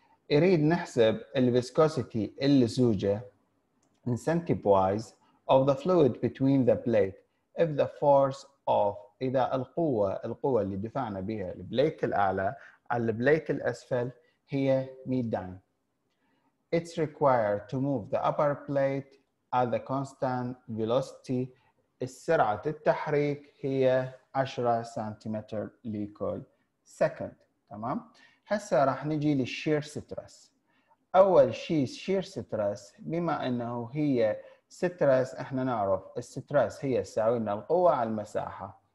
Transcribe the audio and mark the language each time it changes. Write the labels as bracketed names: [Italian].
[Arabic] يريد نحسب الفيسكوسيتي اللزوجة [English] in centipoise of the fluid between the plate if the force of [Arabic] إذا القوة اللي دفعنا بها البليت الأعلى على البليت الأسفل هي 100 داين. [English] It's required to move the upper plate at the constant velocity. [Arabic] السرعة التحريك هي 10 سنتيمتر لكل second. تمام؟ هسا راح نجي للشير ستريس. أول شيء شير ستريس بما أنه هي ستريس احنا نعرف الستريس هي تساوي لنا القوة على المساحة.